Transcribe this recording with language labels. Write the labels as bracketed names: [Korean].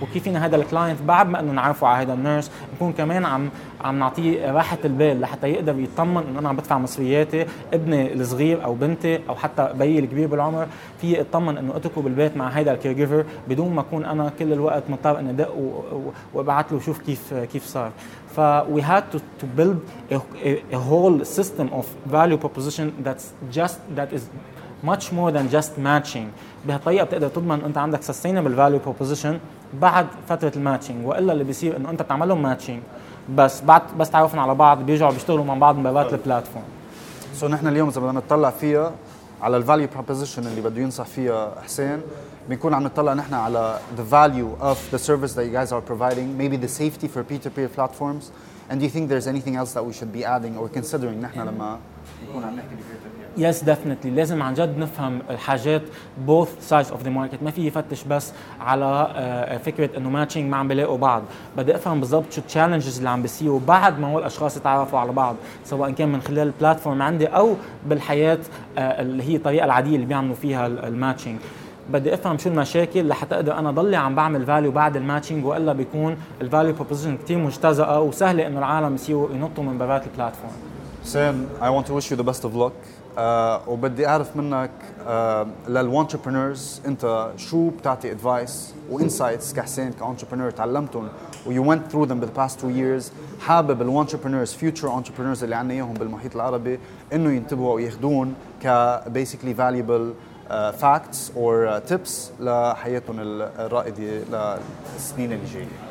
[Arabic] وكيف فينا هذا الكلاينت بعد ما انه نعرفه على هذا النيرس نكون كمان عم نعطيه راحه البال لحتى يقدر يطمن انه انا عم بدفع مصرياتي، ابني الصغير او بنتي او حتى بيي الكبير بالعمر فيه يطمن انه اتركه بالبيت مع هذا الكير جيفر بدون ما اكون انا كل الوقت مضطر اني ادق وابعث له شوف كيف صار. [English] ف we had to build a whole system of value proposition that is much more than just matching. [Arabic] بهالطريقة بتقدر تضمن انت عندك [English] sustainable value proposition [Arabic] بعد فترة الماتشنج، وإلا اللي بيصير انه انت بتعملهم ماتشنج بس بعد بس تعرفهم على بعض بيجوا بيشتغلوا مع بعض مبادئ البلاتفورم. سو نحن اليوم اذا بدنا نطلع فيها على الفاليو بروبوزيشن اللي بده ينصح فيها حسين، بنكون عم نطلع نحن على [English] the value of the service that you guys are providing, maybe the safety for peer-to-peer platforms, and do you think there's anything else that we should be adding or considering [Arabic] نحن لما نكون عم نحكي بالبيت؟ [English] Yes, definitely. [Arabic] لازم عن جد نفهم الحاجات [English] both sides of the market. [Arabic] ما في يفتش بس على فكرة إنه matching ما عم بلاقوا بعض. بدي أفهم بالضبط شو challenges اللي عم بيصيروا بعد ما هو الأشخاص يتعرفوا على بعض، سواء كان من خلال platform عندي أو بالحياة اللي هي الطريقة العادية اللي بيعملوا فيها matching. بدي أفهم شو المشاكل لحتى أقدر أنا ضلي عم بعمل value بعد matching، وإلا بيكون value proposition كتير مجتزأة وسهلة إنه العالم يصيروا ينطوا من برات platform. [English] Sam, I want to wish you the best of luck. [Arabic] وبدي أعرف منك للأنتربرنورز أنت شو بتعطي advice وinsights كحسين كأنتربرنور تعلمتهم و [English] you went through them the past two years. [Arabic] حابب الأنتربرنورز [English] future entrepreneurs [Arabic] اللي عنا إياهم بالمحيط العربي إنه ينتبهوا ويخدون ك [English] basically valuable facts or tips [Arabic] لحياتهم الرائدة للسنين الجاية.